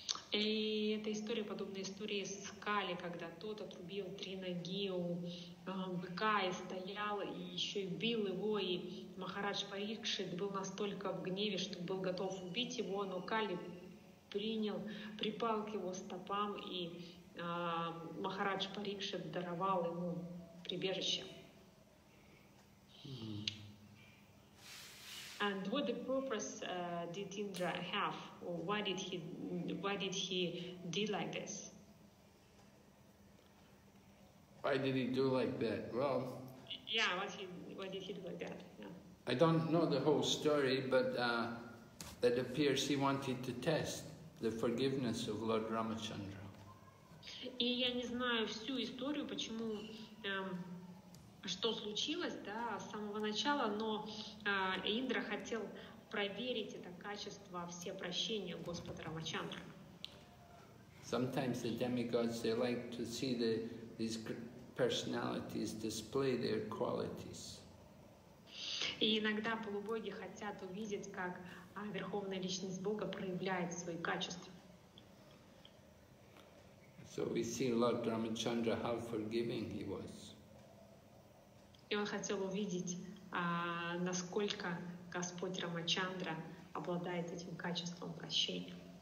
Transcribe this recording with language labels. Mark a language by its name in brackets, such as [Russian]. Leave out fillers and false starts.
[Russian] И эта история подобная истории с Кали, когда тот отрубил три ноги у быка и стоял, и еще и бил его, и Махарадж Парикшит был настолько в гневе, что был готов убить его, но Кали припал к его стопам, и Махарадж Парикшит даровал ему прибежище. [English] And what the purpose did Indra have, or why did he do like this? Why did he do like that? Well, yeah, why did he do like that? Yeah. I don't know the whole story, but it appears he wanted to test the forgiveness of Lord Ramachandra. [Russian] и я не знаю всю историю, почему, что случилось, да, с самого начала, но Индра хотел проверить это качество все прощения Господа Рамачандры. [English] Sometimes the demigods, they like to see the, these personalities display their qualities. [Russian] И иногда полубоги хотят увидеть, как Верховная Личность Бога проявляет свои качества. [English] So we see Lord Ramachandra, how forgiving he was. [Russian] И он хотел увидеть, насколько Господь Рамачандра обладает этим качеством прощения.